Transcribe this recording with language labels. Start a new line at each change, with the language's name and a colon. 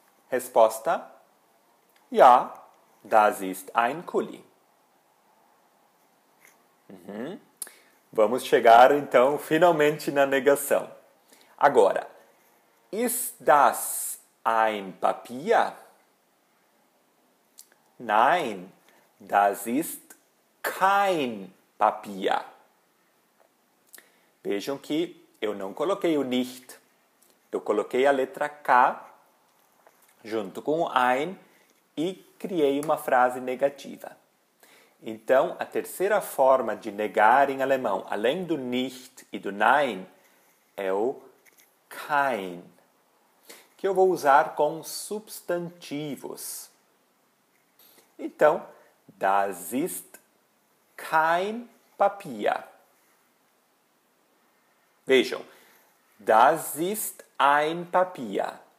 Portuguese: Resposta:
German: Ja, das ist ein Kuli.
Portuguese: Vamos chegar então finalmente na negação. Agora,
German: ist das ein Papier? Nein, das ist kein Papier.
Portuguese: Vejam que eu não coloquei o nicht, eu coloquei a letra K junto com o ein e criei uma frase negativa. Então, a terceira forma de negar em alemão, além do nicht e do nein, é o kein, que eu vou usar com substantivos. Então,
German: das ist kein Papier.
Portuguese: Vejam,
German: das ist ein Papier.